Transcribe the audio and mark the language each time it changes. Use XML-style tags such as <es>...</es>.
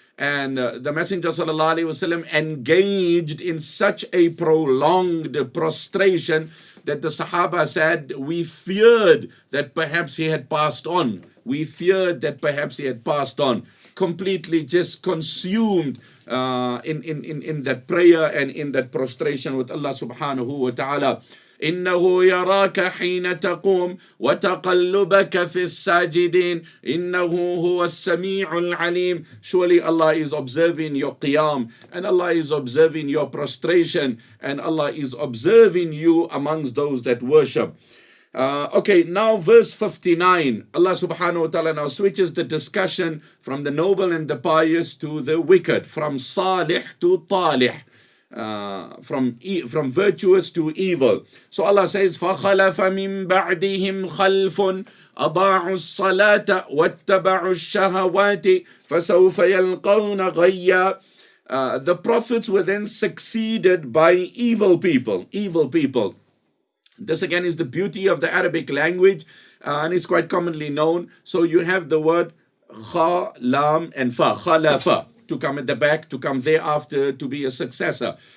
<en>And the Messenger sallallahu alayhi wasallam engaged in such a prolonged prostration that the Sahaba said, we feared that perhaps he had passed on. We feared that perhaps he had passed on. Completely just consumed in that prayer and in that prostration with Allah subhanahu wa ta'ala.</en> <ar>إنه يراك حين تقوم وتقلبك في الساجدين إنه هو السميع العليم.</ar> <en>Surely Allah is observing your qiyam and Allah is observing your prostration and Allah is observing you amongst those that worship. Now verse 59, Allah subhanahu wa ta'ala now switches the discussion from the noble and the pious to the wicked, from salih to talih, from virtuous to evil. So Allah says,</en> <ar>فَخَلَفَ مِن بَعْدِهِمْ خَلْفٌ أَضَاعُوا الصَّلَاةَ وَاتَّبَعُوا الشَّهَوَاتِ فَسَوْفَ يَلْقَوْنَ غَيَّا.</ar> <en>The prophets were then succeeded by evil people. This again is the beauty of the Arabic language, and it's quite commonly known. So you have the word kha, lam, and fa, khalafa, to come at the back, to come thereafter, to be a successor.</en>